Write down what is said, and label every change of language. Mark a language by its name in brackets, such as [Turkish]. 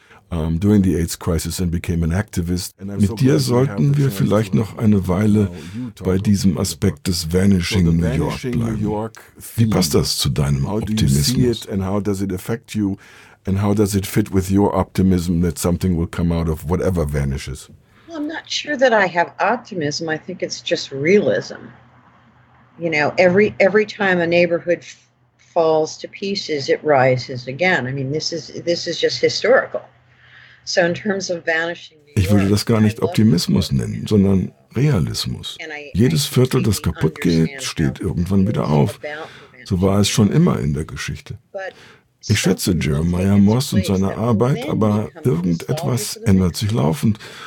[English] During the AIDS crisis and became an activist. [German] Mit dir sollten wir vielleicht noch eine Weile bei diesem Aspekt des Vanishing New York bleiben. Wie passt das zu deinem Optimismus? [English] How do you see it and how does it affect you and how does it fit with your optimism that something will come out of whatever vanishes? Well, I'm not sure that I have optimism. I think it's just realism. You know, every time a neighborhood falls to pieces, it rises again. I mean, this is just historical. So in terms of vanishing New York, [German] ich würde das gar nicht Optimismus nennen, sondern Realismus. Jedes Viertel, das kaputt geht, steht irgendwann wieder auf. So war es schon immer in der Geschichte. Ich schätze Jeremiah Moss und seine Arbeit, aber irgendetwas ändert sich laufend.